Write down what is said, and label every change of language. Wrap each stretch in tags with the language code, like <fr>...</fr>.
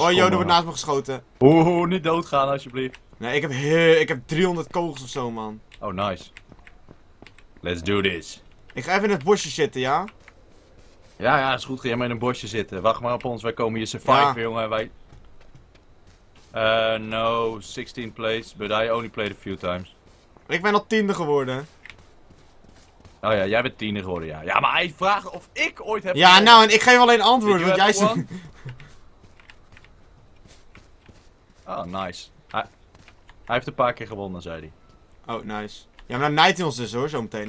<nl>Oh, joh, er wordt naast me geschoten. Oeh, niet doodgaan, alsjeblieft. Nee, ik heb 300 kogels of zo, man.</nl> <en>Oh, nice. Let's do this.</en> <nl>Ik ga even in het bosje zitten, ja? Ja, is goed. Ga jij maar in een bosje zitten. Wacht maar op ons, wij komen hier survive, ja. Jongen. Wij...</nl> <en>no, 16 plays, but I only played a few times.</en> <nl>Ik ben al 10e geworden. Oh ja, jij bent 10e geworden, ja. Ja, maar hij vraagt of ik ooit heb... Ja, gehoord. Nou, en ik geef alleen antwoorden, want jij zegt... Oh, nice. Hij heeft een paar keer gewonnen, zei hij. Oh, nice. Ja, maar dan nijdt hij ons dus hoor, zometeen.</nl>